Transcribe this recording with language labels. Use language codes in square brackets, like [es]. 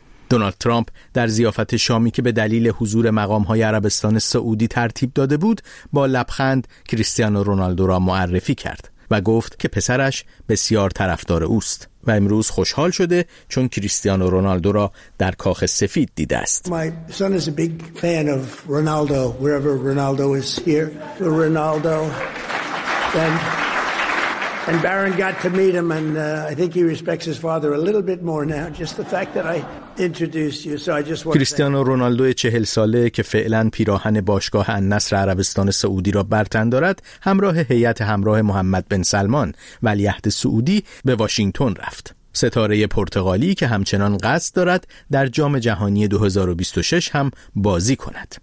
[fa] دونالد ترامپ در ضیافت شامی که به دلیل حضور مقام‌های عربستان سعودی ترتیب داده بود، با لبخند کریستیانو رونالدو را معرفی کرد و گفت که پسرش بسیار طرفدار اوست و امروز خوشحال شده چون کریستیانو رونالدو را در کاخ سفید دیده است. [en] My son is a big fan of Ronaldo wherever Ronaldo is here. Ronaldo and Baron got to meet him and I think he respects his father a little bit more now just the fact that I introduced you. So I just want [fa] کریستیانو رونالدو 40 ساله که فعلا پیراهن باشگاه النصر عربستان سعودی را بر تن دارد، همراه هیئت همراه محمد بن سلمان ولیعهد سعودی به واشنگتن رفت. ستاره پرتغالی که همچنان قصد دارد در جام جهانی 2026 هم بازی کند.